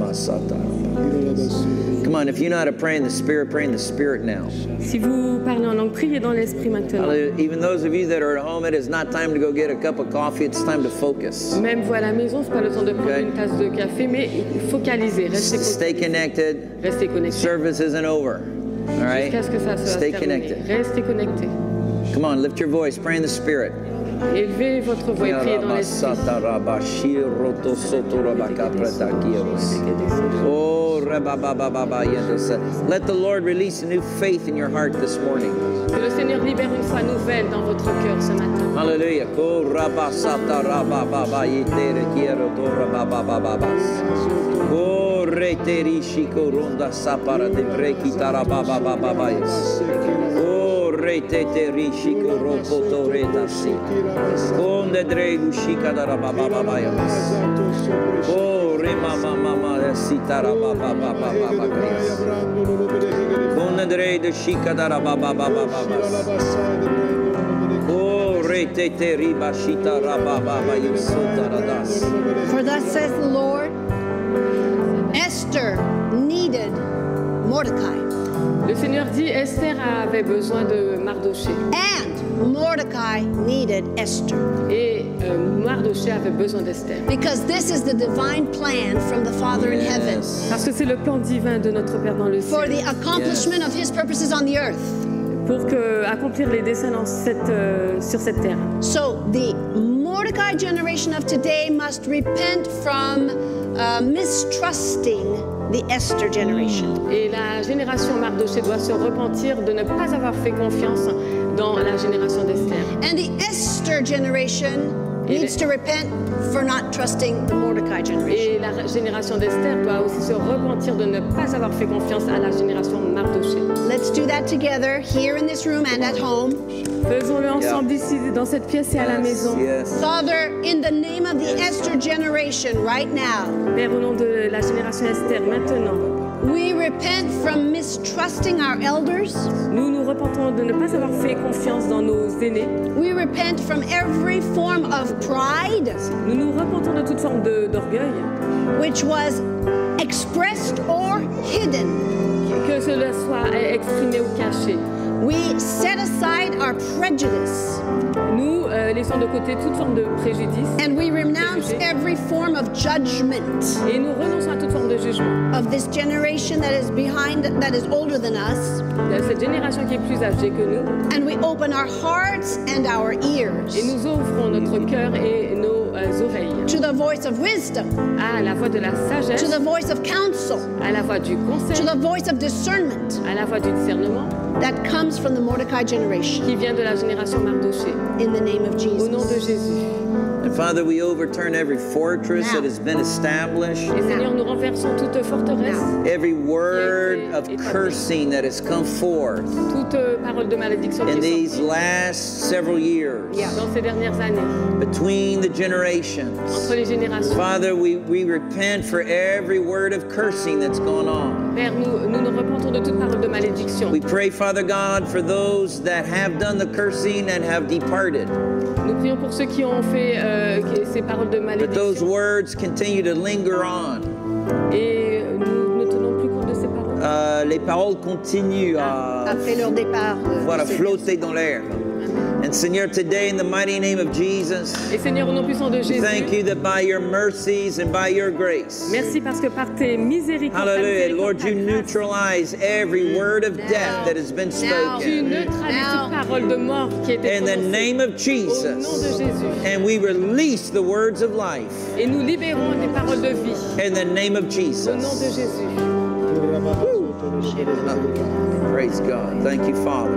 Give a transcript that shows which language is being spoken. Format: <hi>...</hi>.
<en>Come on, if you know how to pray in the Spirit now.</en> <fr>Si vous parlez en langue, priez dans l'esprit maintenant.</fr> <en>Even those of you that are at home, it is not time to go get a cup of coffee. It's time to focus.</en> <fr>Même vous à la maison, c'est pas le temps de prendre une tasse de café, mais focaliser.</fr> <en>Stay connected.</en> <fr>Restez connecté.</fr> <en>Service isn't over. All right.</en> <fr>Jusqu'à ce que ça soit</fr> <en>Stay connected.</en> <fr>Restez connecté.</fr> <en>Come on, lift your voice. Pray in the Spirit.</en> <fr>Élevez votre voix et priez dans l'esprit. Oh, rababashiroto soto rabakapreta kios.</fr> <en>Let the Lord release a new faith in your heart this morning.</en> <fr>Que le Seigneur libère une foi nouvelle dans votre cœur ce matin. Hallelujah. Ko raba sata raba baba yitere kiero to raba baba baba. Ko re teri shiko ronda sapara de breki taraba baba baba yes. Ko re te teri shiko ropo tore tasi. Konde dre gushika da raba baba baba yes. Ko re mama mama.</fr> <en>For thus says the Lord, Esther needed Mordecai.</en> <fr>Le Seigneur dit Esther avait besoin de Mardoché.</fr> <en>And Mordecai needed Esther.</en> <fr>Et Mardoché avait besoin d'Esther.</fr> <en>Because this is the divine plan from the Father yes. in heaven.</en> <fr>Parce que c'est le plan divin de notre Père dans le ciel.</fr> <en>For the accomplishment yes. of His purposes on the earth.</en> <fr>Pour que accomplir les desseins dans cette sur cette terre.</fr> <en>So the Mordecai generation of today must repent from mistrusting. The Esther generation.</en> <fr>Et la génération Mardoché doit se repentir de ne pas avoir fait confiance dans la génération d'Esther.</fr> <en>And the Esther generation needs to repent for not trusting the Mordecai generation.</en> <fr>Et la génération d'Esther doit aussi se repentir de ne pas avoir fait confiance à la génération Mardoché.</fr> <en>Let's do that together here in this room and at home.</en> <fr>Faisons-le ensemble ici dans cette pièce et à la maison.</fr> <en>Yes. Father, in the name of the Esther generation right now.</en> <fr>Père, au nom de la génération Esther maintenant.</fr> <en>We repent from mistrusting our elders.</en> <fr>Nous nous repentons de ne pas avoir fait confiance dans nos aînés.</fr> <en>We repent from every form of pride.</en> <fr>Nous nous repentons de toute forme d'orgueil.</fr> <en>Which was expressed or hidden.</en> <fr>Que cela soit exprimé ou caché.</fr> <en>We set aside our prejudice.</en> <fr>Nous laissons de côté toute forme de préjudice.</fr> <en>And we renounce every form of judgment.</en> <fr>Et nous renonçons à toute forme de jugement.</fr> <en>Of this generation that is behind, that is older than us.</en> <fr>De cette génération qui est plus âgée que nous.</fr> <en>And we open our hearts and our ears.</en> <fr>Et nous ouvrons notre cœur et nos oreilles.</fr> <en>To the voice of wisdom.</en> <fr>À la voix de la sagesse.</fr> <en>To the voice of counsel.</en> <fr>À la voix du conseil.</fr> <en>To the voice of discernment.</en> <fr>À la voix du discernement.</fr> <en>That comes from the Mordecai generation.</en> <fr>Qui vient de la génération Mardoché.</fr> <en>In the name of Jesus.</en> <fr>Au nom de Jésus.</fr> <en>The And Father, we overturn every fortress that has been established.</en> <fr>Et Seigneur, nous renversons toute forteresse.</fr> <en>Every word of cursing that has come forth.</en> <fr>Toute parole de malédiction.</fr> <en>In these last several years.</en> <fr>Dans ces dernières années.</fr> <en>Between the generations.</en> <fr>Entre les générations.</fr> <en>Father, we repent for every word of cursing that's gone on.</en> <fr>Père, nous nous repentons de toute parole de malédiction.</fr> <en>We pray, Father God, for those that have done the cursing and have departed.</en> <fr>Nous prions pour ceux qui ont fait ces paroles de malédiction.</fr> <en>But those words continue to linger on.</en> <fr>Et nous ne tenons plus compte de ces paroles. Les paroles continuent après leur départ. Voilà, flotter dans l'air.</fr> <en>And Seigneur, today in the mighty name of Jesus,</en> <fr>et Seigneur, au nom puissant de Jésus,</fr> <en>thank you that by your mercies and by your grace,</en> <fr>merci parce que par tes miséricordes,</fr> <en>hallelujah, Lord, you neutralize every word of death that has been spoken.</en> <fr>Tu neutralises toute parole de mort qui était</fr> <en>in the name of Jesus,</en> <fr>au nom de Jésus,</fr> <en>and we release the words of life,</en> <fr>et nous libérons des paroles de vie,</fr> <en>in the name of Jesus,</en> <fr>au nom de Jésus.</fr> <en>Praise God. Thank you, Father.</en>